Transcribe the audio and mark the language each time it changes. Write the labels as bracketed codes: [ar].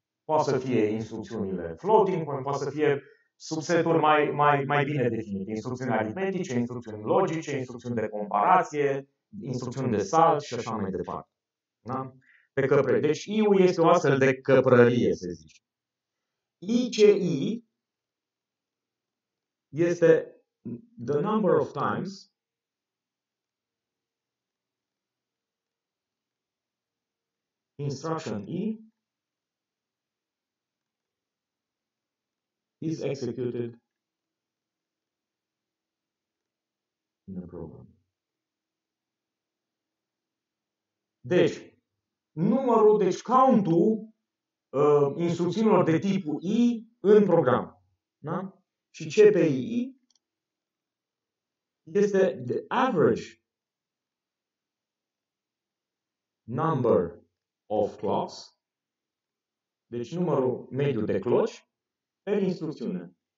[ro] Poate să fie instrucțiunile floating, poate să fie subseturi mai bine definite. Instrucțiuni aritmetice, instrucțiuni logice, instrucțiuni de comparație, instrucțiuni de salt și așa mai departe. Da? Pe căprărie. Deci I-ul este o astfel de căprărie, să zice. [en] ICI este the number of times instruction E is executed in a program. [ro] Deci, numărul, deci count-ul instrucțiunilor de tipul I în program. Da? Și CPI este [en] the average number of clocks, [ro] deci numărul mediu de cloci per instrucțiune.